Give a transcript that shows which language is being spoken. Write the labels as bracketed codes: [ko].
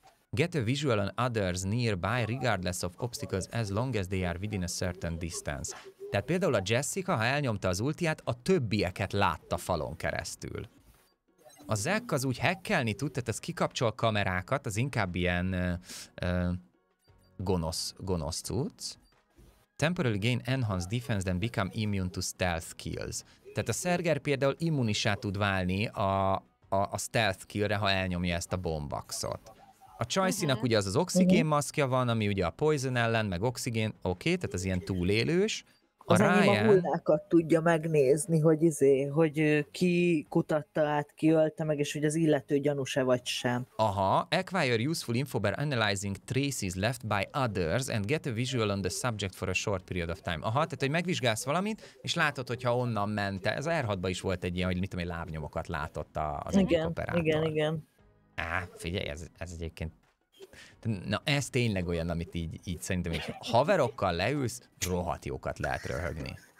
[en] Get a visual on others nearby, regardless of obstacles, as long as they are within a certain distance. [hu] Tehát például a Jessica, ha elnyomta az ultiát, a többieket látta falon keresztül. A Zack az úgy hackelni tud, tehát ez kikapcsol kamerákat, az inkább ilyen gonosz cucc. [en] Temporarily gain enhanced defense, then become immune to stealth kills. [hu] Tehát a Serger például immunissá tud válni a stealth killre, ha elnyomja ezt a bombaxot. A Choice-nak ugye az az oxigén maszkja van, ami ugye a poison ellen, meg oxigén, oké, tehát az ilyen túlélős. A Ryan... Az enyém a hullákat tudja megnézni, hogy ki kutatta át, ki ölte meg, és hogy az illető gyanús-e vagy sem. [en] Aha, acquire useful info by analyzing traces left by others and get a visual on the subject for a short period of time. [hu] Aha, tehát hogy megvizsgálsz valamit, és látod, hogyha onnan ment, ez az R6-ban is volt egy ilyen, hogy mit tudom, lábnyomokat látott az egyik operátor. Igen, igen, igen. Á, figyelj, ez egyébként... Na, ez tényleg olyan, amit így szerintem, hogy haverokkal leülsz, rohadt jókat lehet röhögni.